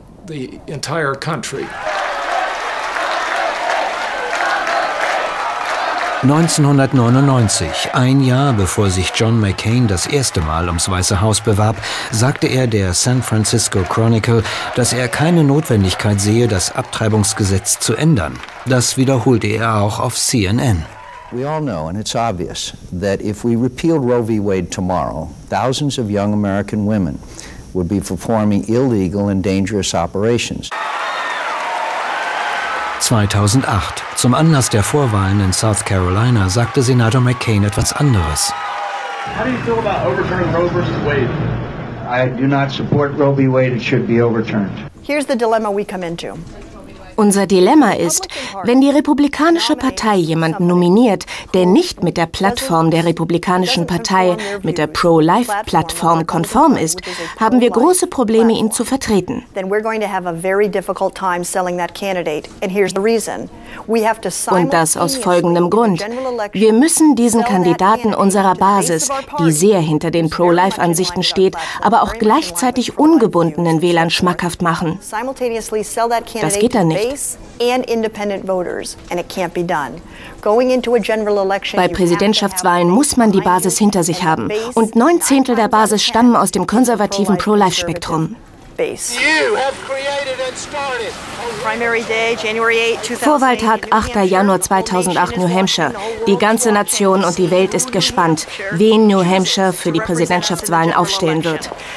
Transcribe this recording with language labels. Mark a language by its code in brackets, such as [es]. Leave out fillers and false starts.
[de] Applaus 1999, ein Jahr bevor sich John McCain das erste Mal ums Weiße Haus bewarb, sagte er der San Francisco Chronicle, dass er keine Notwendigkeit sehe, das Abtreibungsgesetz zu ändern. Das wiederholte er auch auf CNN. [en] We all know, and it's obvious, that if we repealed Roe v. Wade tomorrow, thousands of young American women would be performing illegal and dangerous operations. [de] 2008, zum Anlass der Vorwahlen in South Carolina, sagte Senator McCain etwas anderes. [en] How do you feel about overturning Roe v. Wade? I do not support Roe v. Wade. It should be overturned. Here's the dilemma we come into. [de] Unser Dilemma ist, wenn die Republikanische Partei jemanden nominiert, der nicht mit der Plattform der Republikanischen Partei, mit der Pro-Life-Plattform konform ist, haben wir große Probleme, ihn zu vertreten. Und das aus folgendem Grund. Wir müssen diesen Kandidaten unserer Basis, die sehr hinter den Pro-Life-Ansichten steht, aber auch gleichzeitig ungebundenen Wählern schmackhaft machen. Das geht dann nicht. [en] And independent voters, and it can't be done. Going into a general election, [de] bei Präsidentschaftswahlen muss man die Basis hinter sich haben. Und 9/10 der Basis stammen aus dem konservativen Pro-Life-Spektrum. Vorwahltag 8. Januar 2008, New Hampshire. Die ganze Nation und die Welt ist gespannt, wen New Hampshire für die Präsidentschaftswahlen aufstellen wird.